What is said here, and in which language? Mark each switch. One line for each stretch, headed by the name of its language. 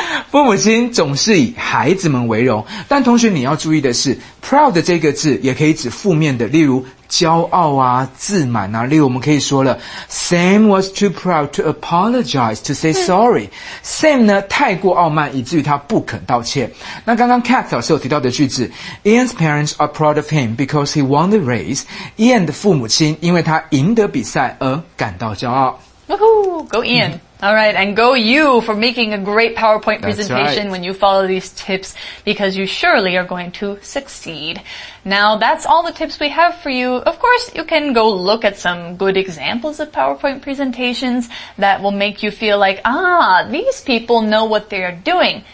Chinese: 父母亲总是以孩子们为荣。但同学你要注意的是， proud 这个字也可以指负面的，例如骄傲啊，自满啊，例如我们可以说了 ，
English: Sam was too proud to apologize to say sorry.
Chinese: Sam 呢太过傲慢，以至于他不肯道歉。那刚刚 Kat 老师有提到的句子
English: ，Ian's parents are proud of him because he won the race.
Chinese: Ian 的父母亲因为他赢得比赛而感到骄傲。
English: Woohoo! Go Ian! All right, and go you for making a great PowerPoint presentation when you follow these tips, because you surely are going to succeed. Now, that's all the tips we have for you. Of course, you can go look at some good examples of PowerPoint presentations that will make you feel like, ah, these people know what they are doing.